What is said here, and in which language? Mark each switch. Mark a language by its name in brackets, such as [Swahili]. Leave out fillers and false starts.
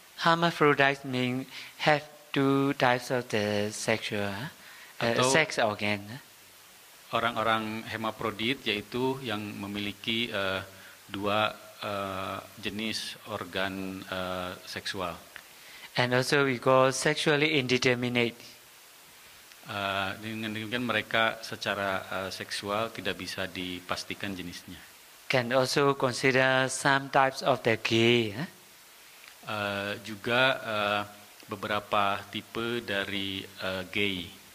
[English] Hermaphrodites mean have two types of the sexual sex organ. [Indonesian] Orang-orang hermaphrodit yaitu yang memiliki dua jenis organ seksual. [English] And also we call sexually indeterminate. [Indonesian] Dengan demikian mereka secara seksual tidak bisa dipastikan jenisnya. [English] Can also consider some types of the gay. [Indonesian] Juga beberapa tipe dari gay.